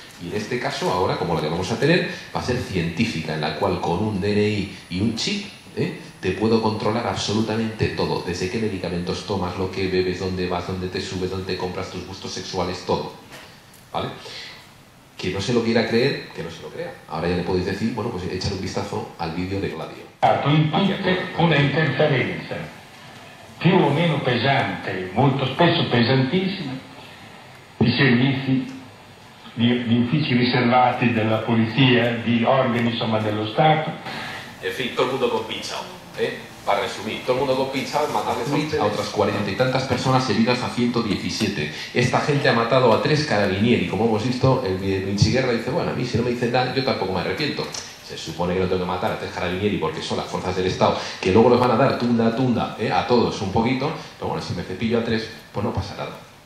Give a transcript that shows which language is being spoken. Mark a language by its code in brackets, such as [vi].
[es] Y en este caso, ahora, como la que vamos a tener, va a ser científica, en la cual con un DNI y un chip te puedo controlar absolutamente todo, desde qué medicamentos tomas, lo que bebes, dónde vas, dónde te subes, dónde compras, tus gustos sexuales, todo. ¿Vale? Que no se lo quiera creer, que no se lo crea. Ahora ya le podéis decir, bueno, pues echar un vistazo al vídeo de Gladio. [it] Una interferenza più o meno pesante, molto spesso pesantissima, di servizi, di uffici riservati della polizia, di organi insomma dello Stato. [es] En fin, todo el mundo compinchado, para resumir, todo el mundo compinchado, matarles a otras 40 y tantas personas heridas a 117. Esta gente ha matado a 3 carabinieri, como hemos visto, el Vinciguerra dice, bueno, a mí si no me dicen nada, yo tampoco me arrepiento. Se supone que no tengo que matar a 3 carabinieri porque son las fuerzas del Estado, que luego los van a dar tunda a tunda a todos un poquito, pero bueno, si me cepillo a 3, pues no pasa nada.